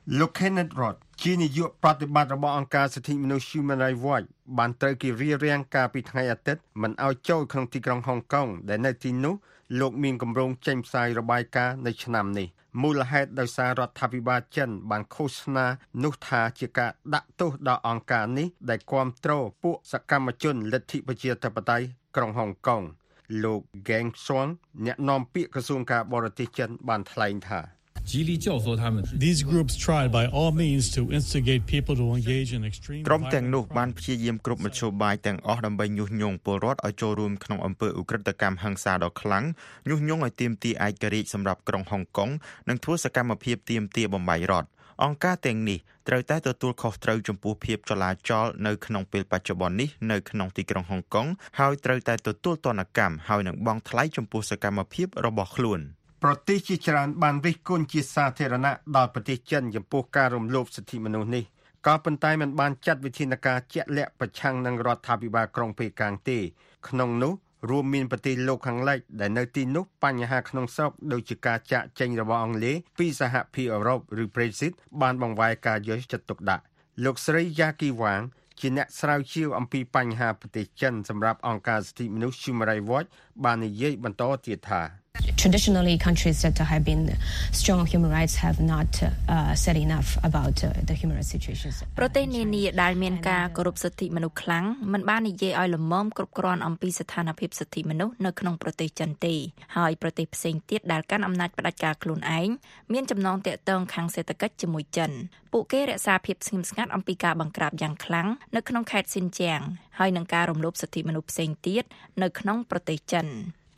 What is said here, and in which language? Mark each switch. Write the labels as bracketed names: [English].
[Khmer] លោក Kenneth Roth ជានាយកប្រតិបត្តិរបស់អង្គការសិទ្ធិមនុស្ស Human Rights Watch បានត្រូវគេរារាំងការពីថ្ងៃអាទិត្យមិនឲ្យចូលក្នុងទីក្រុង Hong Kong ដែលនៅទីនោះលោកមានគម្រោងចេញផ្សាយរបាយការណ៍នៅឆ្នាំនេះមូលហេតុដោយសាររដ្ឋាភិបាលចិនបានឃោសនានោះថាជាការដាក់ទោសដល់អង្គការនេះដែលគ្រប់គ្រងពួកសកម្មជនលទ្ធិប្រជាធិបតេយ្យក្រុងហុងកុងលោកហ្គេងស៊ុងអ្នកនាំពាក្យក្រសួងការបរទេសចិនបានថ្លែងថា [English] These groups tried by all means to instigate people to engage in extreme [Khmer] ក្រុមទាំងនោះបានព្យាយាមគ្រប់មធ្យោបាយទាំងអស់ដើម្បីញុះញង់ពលរដ្ឋឲ្យចូលរួមក្នុងអំពើឧក្រិដ្ឋកម្មហិង្សាដ៏ខ្លាំងញុះញង់ឲ្យទាមទារឯករាជ្យសម្រាប់ក្រុងហុងកុងនិងធ្វើសកម្មភាពទាមទារបំបីរដ្ឋអង្គការទាំងនេះត្រូវតែទទួលខុសត្រូវចំពោះភាពចលាចលនៅក្នុងពេលបច្ចុប្បន្ននេះនៅក្នុងទីក្រុងហុងកុងហើយត្រូវតែទទួលទណ្ឌកម្មហើយនឹងបង់ថ្លៃចំពោះសកម្មភាពរបស់ខ្លួន ប្រទេសជាច្រើនបានរិះគន់ជាសាធារណៈដល់ប្រទេសចិនចំពោះការរំលោភសិទ្ធិមនុស្សនេះក៏ប៉ុន្តែមិនបានចាត់វិធានការជាក់លាក់ប្រឆាំងនឹងរដ្ឋាភិបាលក្រុងប៉េកាំងទេក្នុងនោះរួមមានប្រទេសលោកខាងលិចដែលនៅទីនោះបញ្ហាក្នុងស្រុកដូចជាការចាក់ចែងរបស់អង់គ្លេសពីសហភាពអឺរ៉ុបឬ Brexit បានបង្វែរការយកចិត្តទុកដាក់លោកស្រី Jackie Wang ជាអ្នកស្រាវជ្រាវអំពីបញ្ហាប្រទេសចិនសម្រាប់អង្គការសិទ្ធិមនុស្ស Human Rights Watch បាននិយាយបន្តទៀតថា [English] Traditionally countries that have been strong on human rights have not said enough about the human rights situations. [Khmer] ប្រទេសនានាដែលមានការគោរពសិទ្ធិមនុស្សខ្លាំងមិនបាននិយាយឲ្យលំអងគ្រប់គ្រាន់អំពីស្ថានភាពសិទ្ធិមនុស្សនៅក្នុងប្រទេសចិនទេ។ហើយប្រទេសផ្សេងទៀតដែលកាន់អំណាចផ្ដាច់ការខ្លួនឯងមានចំណងទាក់ទងខាងសេដ្ឋកិច្ចជាមួយចិន។ពួកគេរក្សាភាពស្ងៀមស្ងាត់អំពីការបង្ក្រាបយ៉ាងខ្លាំងនៅក្នុងខេត្តស៊ីនជៀង ហើយនឹងការរំលោភសិទ្ធិមនុស្សផ្សេងទៀតនៅក្នុងប្រទេសចិន។